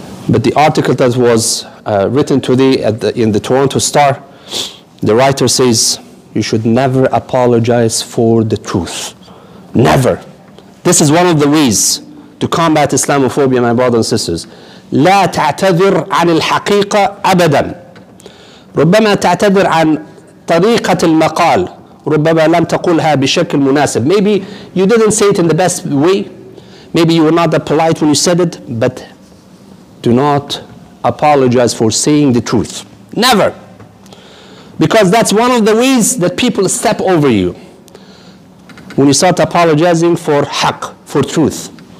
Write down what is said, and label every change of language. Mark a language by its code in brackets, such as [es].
[en] But the article that was written today in the Toronto Star, the writer says, you should never apologize for the truth. Never. This is one of the ways to combat Islamophobia, my brothers and sisters. [ar] لا تعتذر عن الحقيقة أبدا. ربما تعتذر عن طريقة المقال. ربما لم تقولها بشكل مناسب. [en] Maybe you didn't say it in the best way. Maybe you were not that polite when you said it, but do not apologize for saying the truth. Never. Because that's one of the ways that people step over you. When you start apologizing for haq, for truth.